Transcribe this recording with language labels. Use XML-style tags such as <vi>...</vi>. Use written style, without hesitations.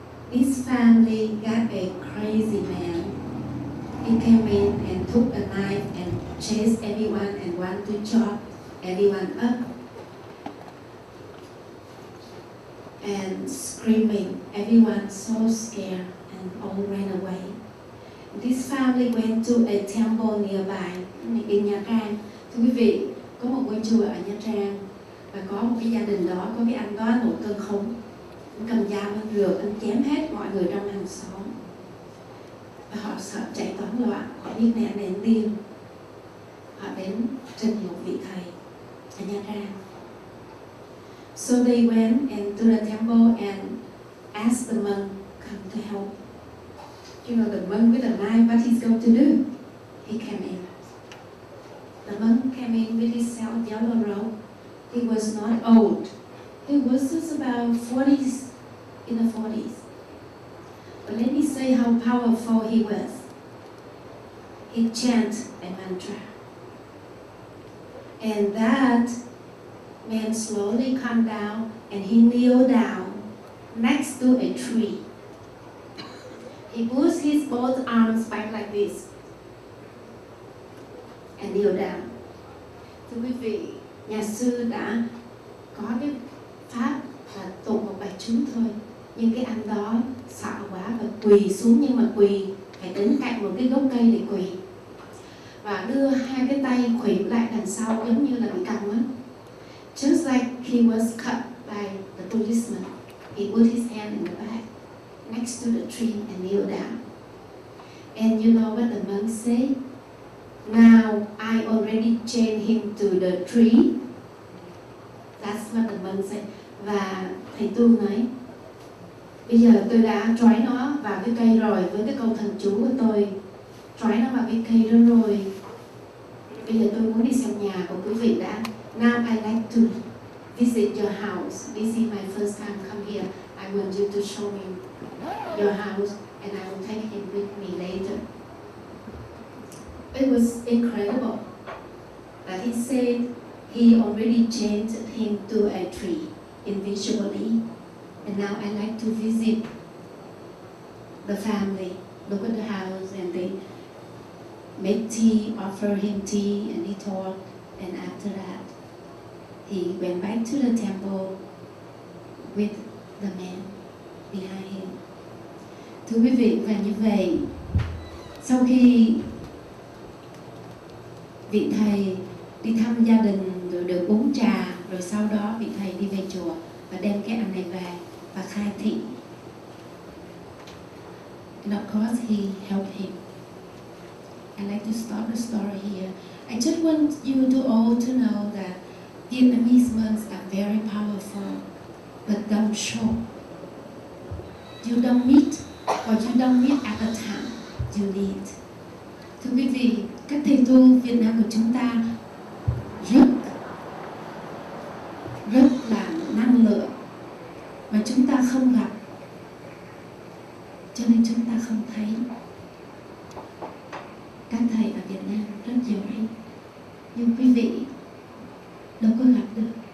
<en>this family got a crazy man. He came in and took a knife and chased everyone and wanted to chop everyone up and screaming. Everyone so scared and all ran away. This family went to a temple nearby in Nha Trang.</en> <vi>Thưa quý vị, có một ngôi chùa ở Nha Trang và có một cái gia đình đó có cái anh đó nổi cơn khống, anh cầm dao anh rửa anh chém hết mọi người trong hàng xóm và họ sợ chạy toán loạn, họ đi mẹ nén tim, họ đến trên một vị thầy ở Nha Trang.</vi> <en>So they went and to the temple and asked the monk come to help. You know the monk with the knife, what he's going to do? He came in. The monk came in with his yellow robe. He was not old. He was just about 40s, in the 40s. But let me say how powerful he was. He chanted a mantra. And that man slowly calmed down and he kneeled down next to a tree. He put his both arms back like this and kneeled down.</en> <vi>Thưa quý vị, nhà sư đã có cái pháp là tụng một bài chú thôi. Nhưng cái anh đó sợ quá và quỳ xuống, nhưng mà quỳ phải đứng cạnh một cái gốc cây để quỳ. Và đưa hai cái tay khuỷu lại đằng sau giống như là bị cầm á.</vi> <en>Just like he was cut by the policeman, he put his hand in the back next to the tree and kneel down. And you know what the monk say? Now I already chained him to the tree. That's what the monk said.</en> <vi>Và thầy tu nói, bây giờ tôi đã trói nó vào cái cây rồi với cái câu thần chú của tôi. Trói nó vào cái cây đó rồi. Bây giờ tôi muốn đi xem nhà của quý vị đã.</vi> <en>Now I'd like to visit your house. This is my first time come here. I want you to show me your house and I will take him with me later. It was incredible that he said he already chained him to a tree invisibly. And now I like to visit the family, look at the house, and they make tea, offer him tea, and he talked. And after that, he went back to the temple with the man behind him.</en> <vi>Thưa quý vị, và như vậy, sau khi vị thầy đi thăm gia đình, rồi được uống trà, rồi sau đó vị thầy đi về chùa và đem cái anh này về và khai thị.</vi> <en>And of course he helped him. I'd like to stop the story here. I just want you to all to know that Vietnamese monks are very powerful, but don't show. You don't meet, or you don't meet at the time you need.</en> <vi>Thưa quý vị, các thầy tu Việt Nam của chúng ta rất là năng lượng. Mà chúng ta không gặp, cho nên chúng ta không thấy các thầy ở Việt Nam rất giỏi, nhưng quý vị đâu có gặp được.</vi>